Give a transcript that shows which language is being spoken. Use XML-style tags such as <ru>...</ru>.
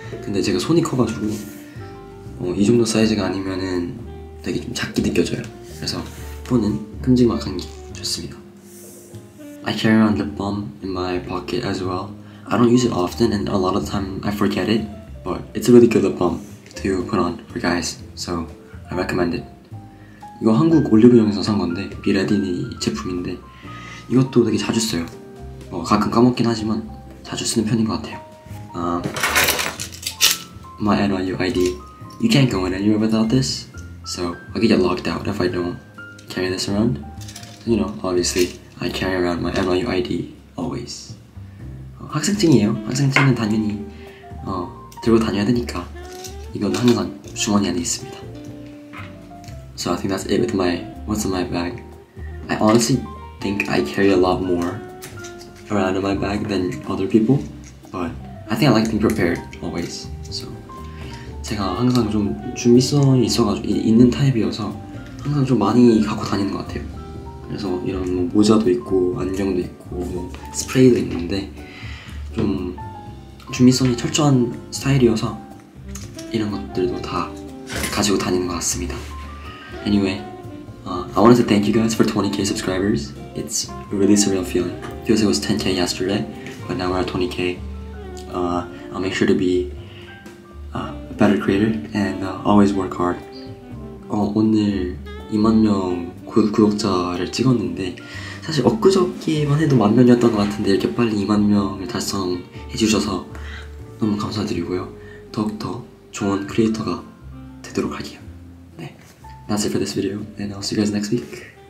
<ko>근데 제가 손이 커가지고 이 정도 사이즈가 아니면은 되게 좀 작게 느껴져요. 그래서 폰은 큼직막한 게 좋습니다.</ko> <en>I carry around lip balm in my pocket as well. I don't use it often and a lot of the time I forget it, but it's a really good lip balm to put on for guys, so I recommend it.</en> <ko>이거 한국 올리브영에서 산 건데 비라디니 제품인데 이것도 되게 자주 써요. 뭐 가끔 까먹긴 하지만 자주 쓰는 편인 것 같아요.</ko> <en>My NYU ID. You can't go in anywhere without this, so I could get locked out if I don't carry this around. You know, obviously, I carry around my NYU ID always.</en> <ko>학생증이에요. 학생증은 당연히 들고 다녀야 되니까 이건 항상 주머니 안에 있습니다.</ko> <en>So I think that's it with what's in my bag. I honestly think I carry a lot more around in my bag than other people, but I think I like being prepared always.</en> <ko>So 제가 항상 좀 준비성이 있는 타입이어서 항상 좀 많이 갖고 다니는 것 같아요. 그래서 이런 뭐 모자도 있고 안경도 있고 뭐 스프레이도 있는데 좀 준비성이 철저한 스타일이어서 이런 것들도 다 가지고 다니는 것 같습니다.</ko> <en>Anyway, I wanted to thank you guys for 20k subscribers. It's a really surreal feeling. Feels like it was 10k yesterday, but now we're at 20k. I'll make sure to be a better creator and always work hard.</en> <ko>오늘 2만 명 구독자를 찍었는데 사실 엊그저께만 해도 만 명이었던 것 같은데 이렇게 빨리 2만 명을 달성해 주셔서 너무 감사드리고요. 더욱더 좋은 크리에이터가 되도록 할게요.</ko> <en>네, that's it for this video and I'll see you guys next week.</en>